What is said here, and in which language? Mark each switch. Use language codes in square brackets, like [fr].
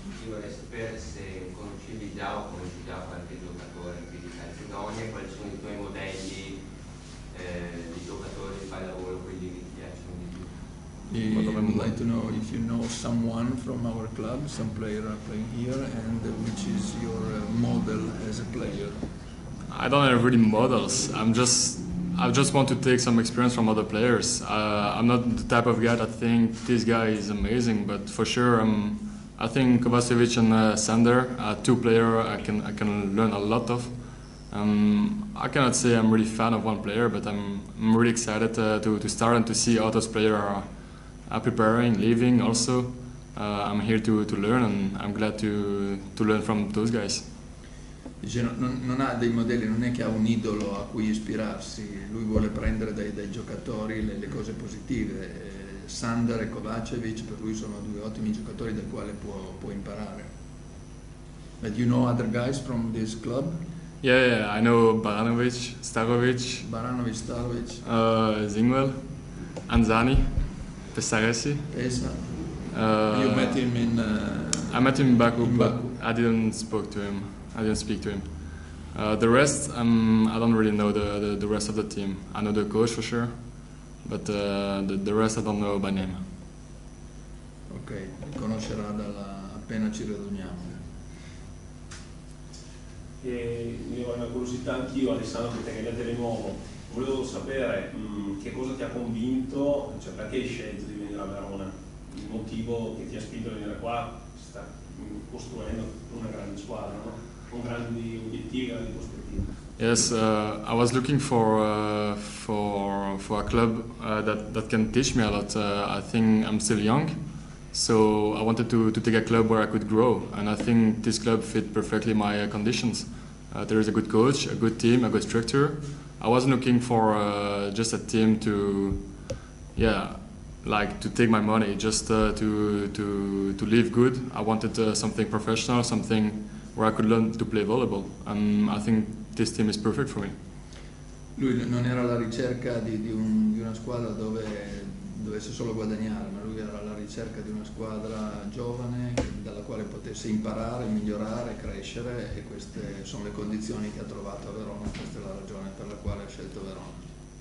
[it] Io vorrei sapere se conoscevi già o conosci già qualche giocatore in Calcedonia, quali sono i tuoi modelli di giocatori che fai lavoro, quelli che ti piacciono di più. [en] I would like to know if you know someone from our club, some player are playing here, and which is your model as a player? I don't have really models. I just want to take some experience from other players. I'm not the type of guy that think this guy is amazing, but for sure, I think Kovacevic and Sander are two players I can learn a lot of. I cannot say I'm really fan of one player, but I'm really excited to start and to see how those players are. I'm preparing, leaving also. I'm here to learn and I'm glad to learn from those guys. Dice, non ha dei modelli, non è che ha un idolo a cui ispirarsi. Lui vuole prendere dai giocatori le cose positive. Sander e Kovacevic per lui sono due ottimi giocatori dal quale può imparare. But you know other guys from this club? Yeah, I know Baranovic, Starovic. Baranovic, Starovic. Zingwell, Anzani. Pesaresi. Pesa. You met him in... I met him in Baku, but I didn't spoke to him. I didn't speak to him. The rest, I don't really know the rest of the team. I know the coach for sure, but the rest I don't know by name. [it] Ok, conoscerà appena ci raduniamo. Mi ho una curiosità anch'io, Alessandro, che te ne vede di nuovo. Volevo sapere che cosa ti ha convinto, cioè perché hai scelto di venire a Verona, il motivo che ti ha spinto a venire qua, si sta costruendo una grande squadra, no? Con grandi obiettivi, grandi prospettive. [en] Yes, I was looking for a club that can teach me a lot. I think I'm still young, so I wanted to take a club where I could grow, and I think this club fit perfectly my conditions. There is a good coach, a good team, a good structure. I wasn't looking for just a team to take my money, just to live good. I wanted something professional, something where I could learn to play volleyball, and I think this team is perfect for me. [it] Lui non era alla ricerca di una squadra dove dovesse solo guadagnare, ma lui era alla ricerca di una squadra giovane dalla quale potesse imparare, migliorare, crescere, e queste sono le condizioni che ha trovato a Verona, questa è la ragione per la quale ha scelto Verona.